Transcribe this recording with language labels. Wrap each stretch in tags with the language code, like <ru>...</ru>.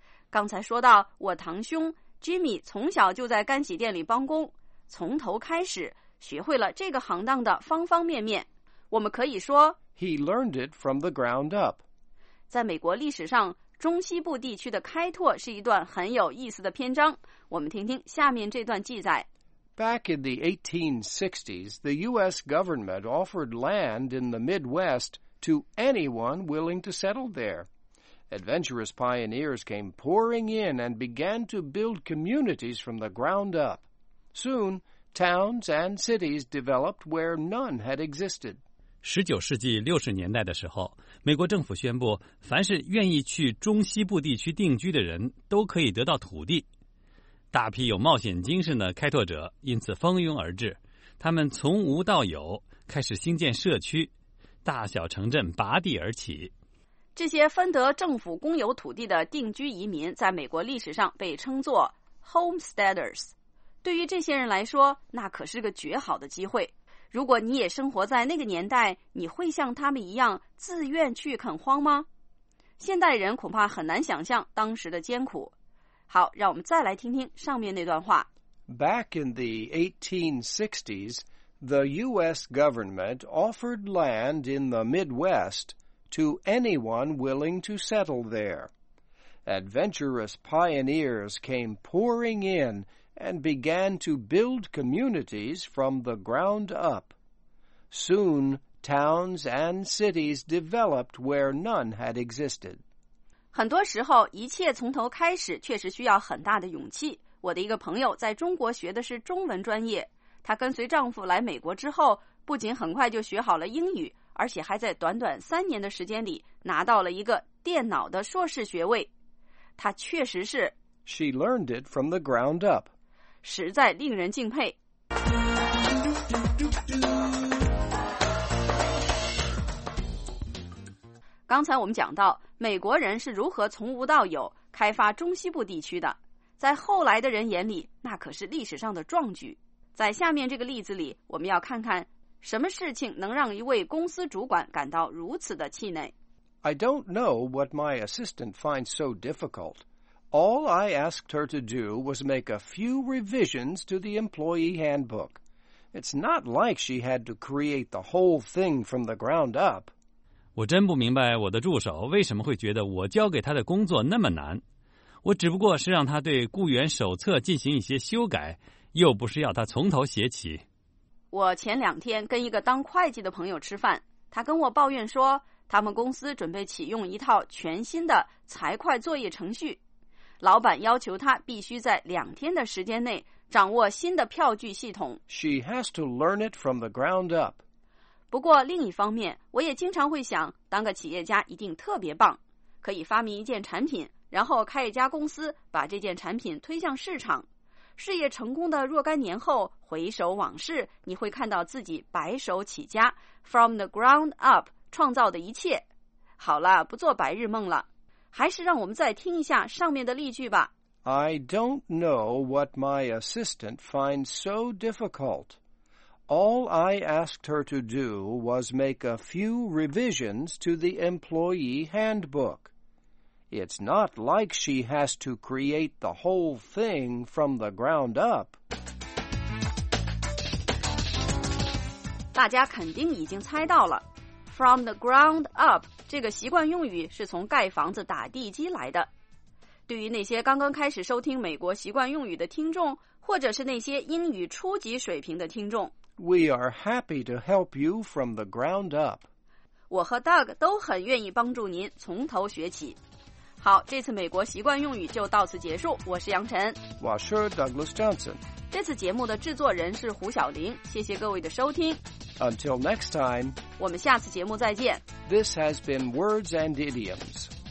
<zh>刚才说到我堂兄 Jimmy 从小就在干洗店里帮工，从头开始学会了这个行当的方方面面。我们可以说</zh> <en>He learned it from the ground up.</en> <zh>在美国历史上，中西部地区的开拓是一段很有意思的篇章。我们听听下面这段记载。</zh> <en>Back in the 1860s, the U.S. government offered land in the Midwest to anyone willing to settle there. Adventurous pioneers came pouring in and began to build communities from the ground up. Soon, towns and cities developed where none had existed.</en> <zh>19世纪60年代的时候，美国政府宣布，凡是愿意去中西部地区定居的人都可以得到土地。大批有冒险精神的开拓者因此蜂拥而至，他们从无到有，开始兴建社区，大小城镇拔地而起。这些分得政府公有土地的定居移民在美国历史上被称作 homesteaders。对于这些人来说，那可是个绝好的机会。如果你也生活在那个年代，你会像他们一样自愿去垦荒吗？现代人恐怕很难想象当时的艰苦。好，让我们再来听听上面那段话。</zh> <en>Back in the 1860s, the U.S. government offered land in the Midwest to anyone willing to settle there. Adventurous pioneers came pouring in and began to build communities from the ground up. Soon, towns and cities developed where none had existed.</en> <zh>很多时候，一切从头开始确实需要很大的勇气。我的一个朋友在中国学的是中文专业，她跟随丈夫来美国之后，不仅很快就学好了英语，而且还在短短三年的时间里拿到了一个电脑的硕士学位。她确实是</zh> <en>She learned it from the ground up.</en> <zh>实在令人敬佩。刚才我们讲到美国人是如何从无到有开发中西部地区的，在后来的人眼里，那可是历史上的壮举。在下面这个例子里，我们要看看什么事情能让一位公司主管感到如此的气馁。</zh> <en>I don't know what my assistant finds so difficult. All I asked her to do was make a few revisions to the employee handbook. It's not like she had to create the whole thing from the ground up.</en> <zh>我真不明白我的助手为什么会觉得我交给他的工作那么难。我只不过是让他对雇员手册进行一些修改，又不是要他从头写起。我前两天跟一个当会计的朋友吃饭，他跟我抱怨说，他们公司准备启用一套全新的财会作业程序。老板要求他必须在两天的时间内掌握新的票据系统。</zh> <en>She has to learn it from the ground up.</en> <zh>不过另一方面，我也经常会想，当个企业家一定特别棒，可以发明一件产品，然后开一家公司，把这件产品推向市场。事业成功的若干年后，回首往事，你会看到自己白手起家 ，from the ground up 创造的一切。好了，不做白日梦了，还是让我们再听一下上面的例句吧。</zh> <en>I don't know what my assistant finds so difficult. All I asked her to do was make a few revisions to the employee handbook. It's not like she has to create the whole thing from the ground up.</en> <zh>大家肯定已经猜到了 ,from the ground up 这个习惯用语是从盖房子打地基来的。对于那些刚刚开始收听美国习惯用语的听众，或者是那些英语初级水平的听众</zh> <en>，We are happy to help you from the ground up.</en> <zh>我和 Doug 都很愿意帮助您从头学起。好，这次美国习惯用语就到此结束。我是杨晨，我是 Douglas Johnson。这次节目的制作人是胡晓玲。谢谢各位的收听。</zh> <en>Until next time.</en> <zh>我们下次节目再见。</zh> <en>This has been Words and Idioms.</en>